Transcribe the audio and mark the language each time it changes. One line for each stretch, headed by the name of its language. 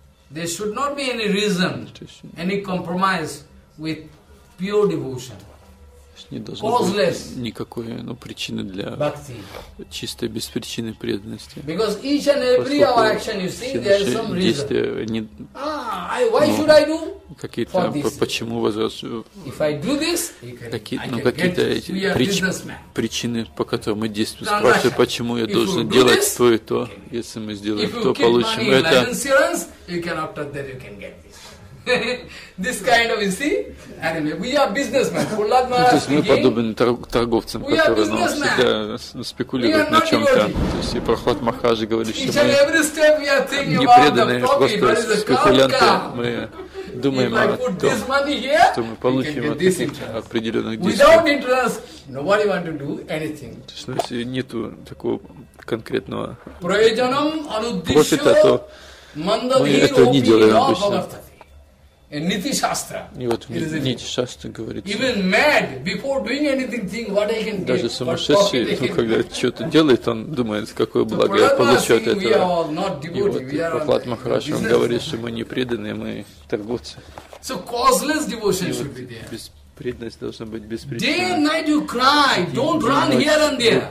English: There should not be any reason, any compromise with pure devotion.
Russian: Не должно Causeless быть никакой, ну, причины для bhakti. Чистой беспричинной преданности.
English: Because each and every our action, you see, there is some reason.
Russian: Действия, не,
English: why should I do?
Russian: Какие-то, почему какие-то причины, по которым мы действуем, спрашивают, почему я должен делать то и то, если мы сделаем то, получим это.
English: This kind of, you see, anime. We are businessmen. Pulad Maharaj.
Russian: То есть мы подобны торговцам, которые нам всегда спекулируют на чем-то. То есть и Прохлад Махараджа говорит, что мы не преданные, просто спекулянты. Мы думаем о том, что мы получим от определенных действий. То есть, ну, если нет такого конкретного профита, то мы этого не делаем обычно. Niti Shastra. И вот Нити Шастра говорит.
English: Even mad before doing anything, think what I can.
Russian: Даже сумасшедший, ну, когда что-то делает, он думает, какое благо я получу от этого. И вот Прохлад Махараш, он говорит, что мы не преданные, мы торговцы.
English: So causeless devotion should be there.
Russian: Преданность должна быть беспричинной. Вы